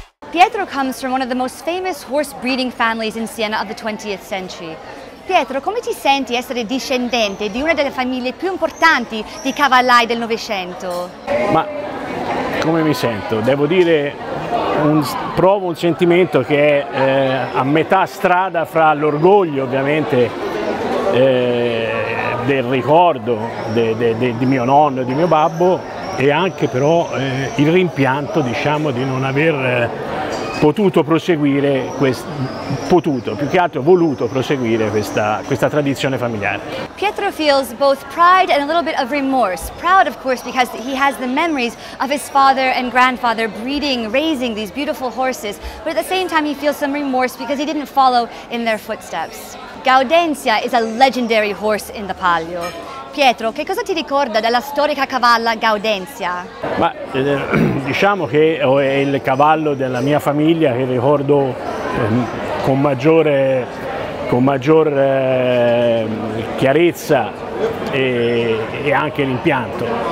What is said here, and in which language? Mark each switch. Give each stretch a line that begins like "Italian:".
English: Pietro comes from one of the most famous horse breeding families in Siena of the 20th century.
Italian: Pietro, come ti senti essere discendente di una delle famiglie più importanti di cavallai del Novecento? Ma come mi sento? Devo dire, provo un sentimento che è a metà strada fra l'orgoglio, ovviamente, del ricordo di mio nonno, di mio babbo, e anche però il rimpianto, diciamo, di non aver voluto proseguire questa tradizione familiare.
English: Pietro feels both pride and a little bit of remorse. Proud, of course, because he has the memories of his father and grandfather breeding, raising these beautiful horses, but at the same time he feels some remorse because he didn't follow in their footsteps. Gaudenzia is a legendary horse in the Palio.
Italian: Pietro, che cosa ti ricorda della storica cavalla Gaudenzia? Ma diciamo che è il cavallo della mia famiglia che ricordo con maggior chiarezza e anche l'impianto.